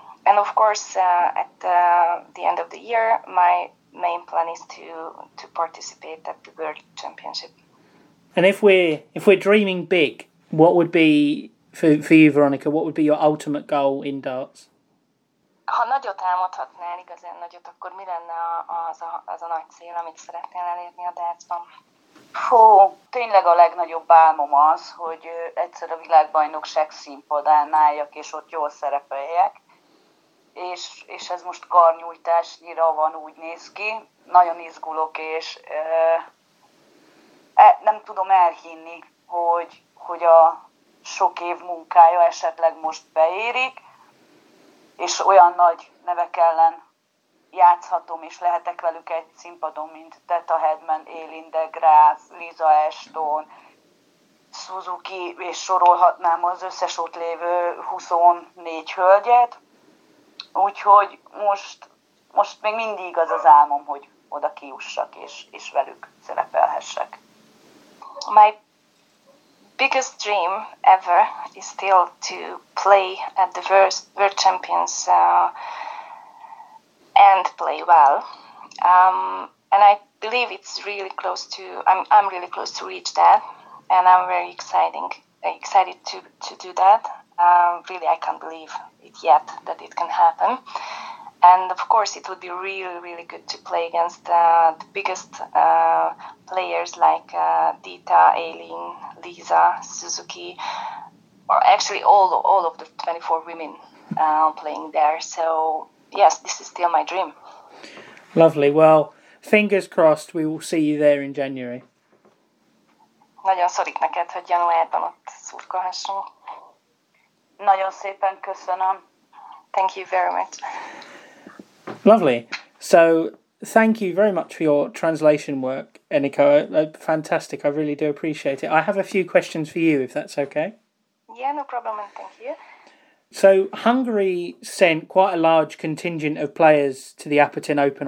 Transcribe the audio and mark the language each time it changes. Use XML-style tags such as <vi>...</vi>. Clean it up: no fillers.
<en>And of course, at the end of the year, my main plan is to participate at the World Championship. And if we're dreaming big, what would be for you, Veronica? What would be your ultimate goal in darts?</en> <hu>Ha nagyot álmodhatnál, igazán nagyot, akkor mi lenne az a nagy cél, amit szeretnél elérni a dartsban? Hú, tényleg a legnagyobb álmom az, hogy egyszer a világbajnokság színpadán álljak, és ott jól szerepeljek. És ez most karnyújtásnyira van, úgy néz ki. Nagyon izgulok, és nem tudom elhinni, hogy a sok év munkája esetleg most beérik, és olyan nagy nevek ellen játszhatom, és lehetek velük egy színpadon, mint Detta Hedman, Aileen de Graaf, Lisa Ashton, Suzuki, és sorolhatnám az összes ott lévő 24 hölgyet. Úgyhogy most még mindig az az álmom, hogy oda kijussak, és velük szerepelhessek.</hu> <en>My biggest dream ever is still to play at the World Champions and play well. And I believe it's really close to, I'm really close to reach that, and I'm very excited to do that. Really, I can't believe it yet that it can happen. And of course, it would be really, really good to play against the biggest players like Dita, Aileen, Lisa, Suzuki, or actually all of the 24 women playing there. So yes, this is still my dream. Lovely. Well, fingers crossed we will see you there in January.</en> <hu>Nagyon szorít neked, hogy januárban ott szurkolhassunk. Nagyon szépen köszönöm.</hu> <en>Thank you very much. Lovely. So, thank you very much for your translation work, Eniko. Fantastic. I really do appreciate it. I have a few questions for you, if that's okay. Yeah, no problem, and thank you. So, Hungary sent quite a large contingent of players to the Apatin Open.</en>